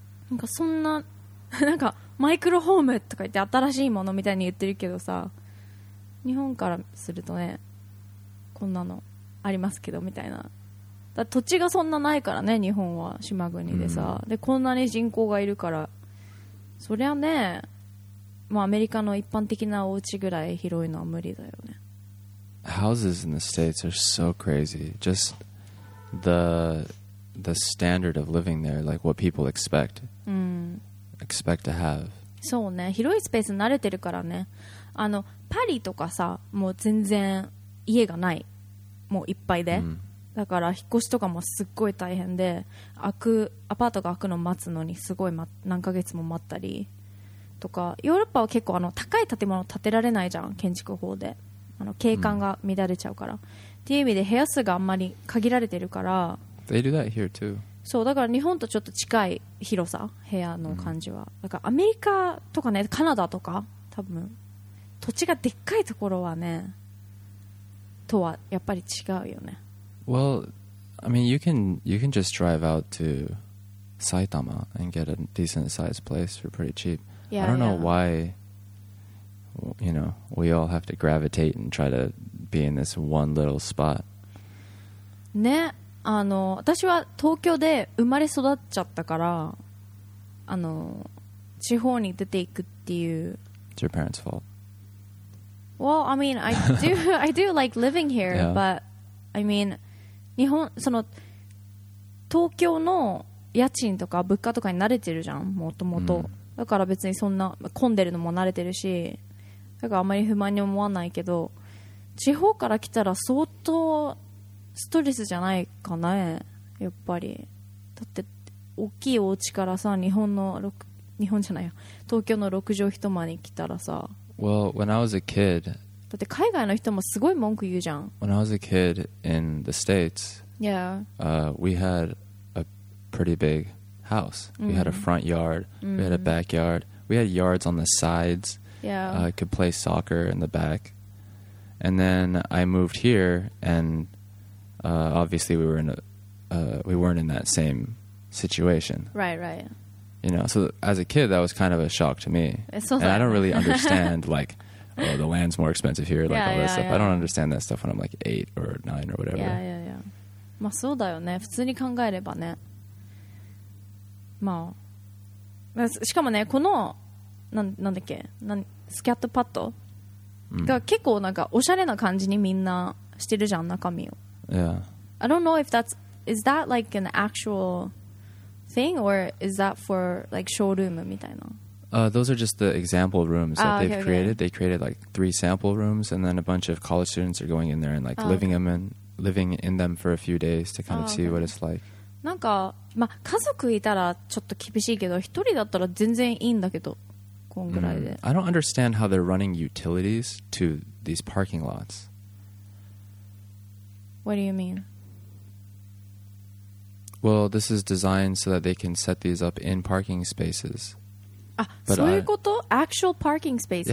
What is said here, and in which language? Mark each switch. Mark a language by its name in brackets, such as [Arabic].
[Japanese] なんかそんな、なんかマイクロホームとか言って新しいものみたいに言ってるけどさ、日本からするとねこんなのありますけどみたいな。だ土地がそんなないからね、日本は島国でさ、でこんなに人口がいるから、そりゃね、まあアメリカの一般的なお家ぐらい広いのは無理だよね。 [English] Houses in the States are so crazy. Just the standard of living there, like what people expect expect to have. [Japanese] そうね、広いスペース慣れてるからね。パリとかさ、もう全然家がない、もういっぱいで、だから引っ越しとかもすっごい大変で、アパートが開くの待つのにすごい、ま、何ヶ月も待ったりとか。ヨーロッパは結構高い建物建てられないじゃん、建築法で景観が乱れちゃうから、っていう意味で部屋数があんまり限られてるから。 [English] They do that here too. [Japanese] そうだから日本とちょっと近い広さ部屋の感じは、うん、だからアメリカとかねカナダとか多分土地がでっかいところはねとはやっぱり違うよね。 [English] Well, I mean, you can just drive out to Saitama and get a decent sized place for pretty cheap. Yeah, I don't know why, you know, we all have to gravitate and try to be in this one little spot. [Japanese] ね、あの、私は東京で生まれ育っちゃったから、あの、地方に出ていくっていう。 [English] It's your parents' fault. Well, I mean, I do like living here, yeah. but I mean, [Japanese] 日本その東京の家賃とか物価とかに慣れてるじゃん、もともと。だから別にそんな混んでるのも慣れてるし、だからあまり不満に思わないけど、地方から来たら相当ストレスじゃないかな、やっぱり。だって大きいお家からさ、日本じゃないや、東京の6畳一間に来たらさ、 [English] Well, when I was a kid, [Japanese] だって海外の人もすごい文句言うじゃん。 [English] When I was a kid in the States, yeah, we had a pretty big house. Mm-hmm. We had a front yard, mm-hmm. we had a backyard, we had yards on the sides. Yeah, I could play soccer in the back. And then I moved here, and obviously we were in we weren't in that same situation. Right, right. You know, so as a kid, that was kind of a shock to me. And I don't really understand, like, oh, the land's more expensive here, like yeah, all that yeah, stuff. Yeah. I don't understand that stuff when I'm like 8 or 9 or whatever. Yeah, yeah, yeah. [Japanese] まあそうだよね。普通に考えればね。まあ、しかもね、この、なんだっけ、スキャットパッドが結構なんかおしゃれな感じにみんなしてるじゃん、中身を。 [English] Yeah. I don't know if that's, is that like an actual... thing or is that for like showroom [Japanese] みたいな [English] those are just the example rooms that they've created. They created like 3 sample rooms and then a bunch of college students are going in there and like living in them for a few days to kind of see what it's like. [Japanese] なんか、まあ、家族いたらちょっと厳しいけど一人だったら全然いいんだけどこんぐらいで、 [English] I don't understand how they're running utilities to these parking lots. What do you mean Well, this is designed so that they can set these up in parking spaces. [Japanese] そういうこと? [English] Actual parking spaces?